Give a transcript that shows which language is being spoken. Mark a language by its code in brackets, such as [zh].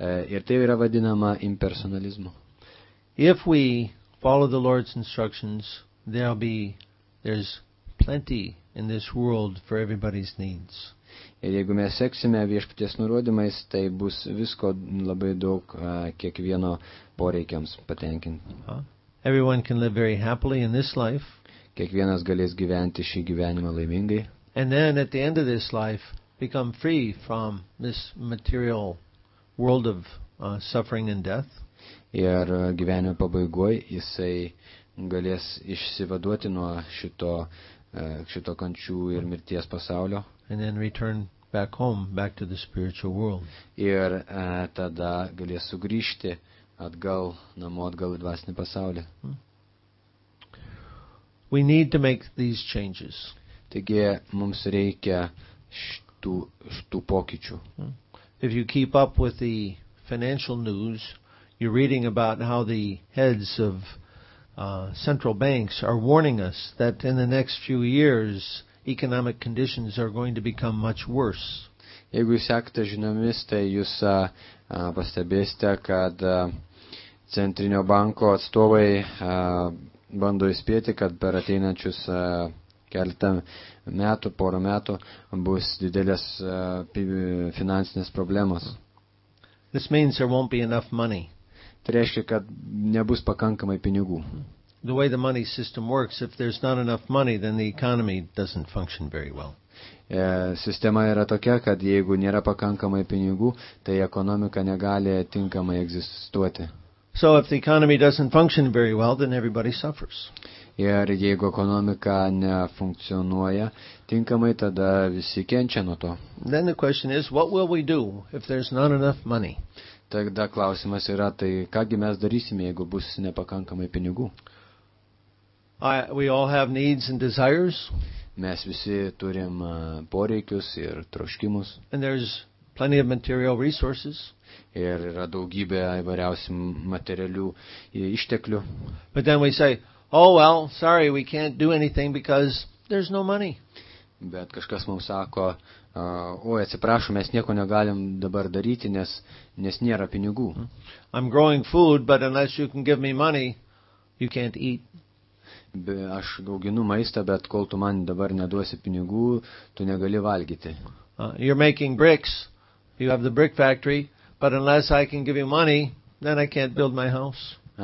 [lt] Ir tai yra vadinama impersonalizmu. [en] If we follow the Lord's instructions, there's plenty in this world for everybody's needs. [lt] Ir jeigu mes seksime viešpaties nurodymais, tai bus visko labai daug kiekvieno poreikiams patenkinti. [en] Everyone can live very happily in this life. [lt] Kiekvienas galės gyventi šį gyvenimą laimingai. [en] And then at the end of this life, become free from this material world of suffering and death. [lt] Ir gyvenimo pabaigoj jisai galės išsivaduoti nuo šito kančių ir mirties pasaulio. [en] And then return back home, back to the spiritual world. [lt] Ir tada galės sugrįžti atgal namo, atgal į dvasinį pasaulį. [en] We need to make these changes. [lt] Taigi mums reikia šitų pokyčių. [en] If you keep up with the financial news, you're reading about how the heads of central banks are warning us that in the next few years economic conditions are going to become much worse. [lt] Jeigu jūs sekate žiniomis, tai jūs pastebėsite, kad centrinio banko atstovai bando įspėti, kad per ateinančius keletą metų, porą metų bus didelės finansinės problemos. [en] This means there won't be enough money. [lt] Tai reiškia, kad nebus pakankamai pinigų. [en] The way the money system works, if there's not enough money, then the economy doesn't function very well. [lt] Sistema yra tokia, kad jeigu nėra pakankamai pinigų, tai ekonomika negali tinkamai egzistuoti. [en] So if the economy doesn't function very well, then everybody suffers. [lt] Ir jeigu ekonomika nefunkcionuoja tinkamai, tada visi kenčia nuo to. [en] Then the question is, what will we do if there's not enough money? [lt] Tada klausimas yra, tai kągi mes darysime, jeigu bus nepakankamai pinigų? [en] We all have needs and desires. [lt] Mes visi turim poreikius ir troškimus. [en] And there's plenty of material resources. [lt] Ir yra daugybė įvairiausių materialių išteklių. [en] But then we say, oh well, sorry, we can't do anything because there's no money. [lt] Bet kažkas mums sako, oi, atsiprašau, mes nieko negalim dabar daryti, nes nėra pinigų. [en] I'm growing food, but unless you can give me money, you can't eat. [lt] Aš auginu maistą, bet kol tu man dabar neduosi pinigų, tu negali valgyti. [en] You're making bricks. You have the brick factory, but unless I can give you money, then I can't build my house.